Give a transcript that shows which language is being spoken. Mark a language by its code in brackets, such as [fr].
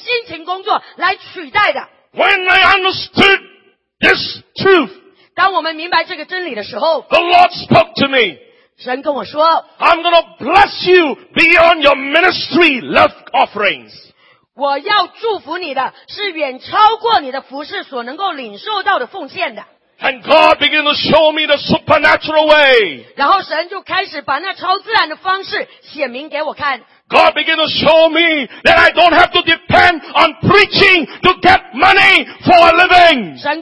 [zh] 圣经告诉我们说，这样的祝福是没有办法通过你辛勤工作来取代的。 [en] When I understood this truth, [zh] 当我们明白这个真理的时候, [en] the Lord spoke to me. [zh] 神跟我说, [en] I'm going to bless you beyond your ministry love offerings. [zh] 我要祝福你的是远超过你的服事所能够领受到的奉献的。 [en] And God began to show me the supernatural way. [zh] 然后神就开始把那超自然的方式显明给我看。 [en] God began to show me that I don't have to depend on preaching to get money for a living.